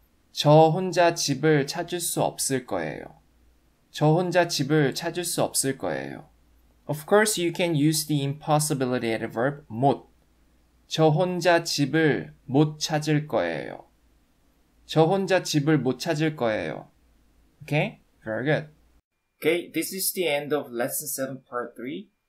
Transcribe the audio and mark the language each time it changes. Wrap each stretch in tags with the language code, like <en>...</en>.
<ko>저 혼자 집을 찾을 수 없을 거예요. 저 혼자 집을 찾을 수 없을 거예요.</ko> <en>Of course, you can use the impossibility adverb 못.</en> <ko>저 혼자 집을 못 찾을 거예요. 저 혼자 집을 못 찾을 거예요.</ko> <en>Okay? Very good. Okay, this is the end of Lesson 7, Part 3.</en>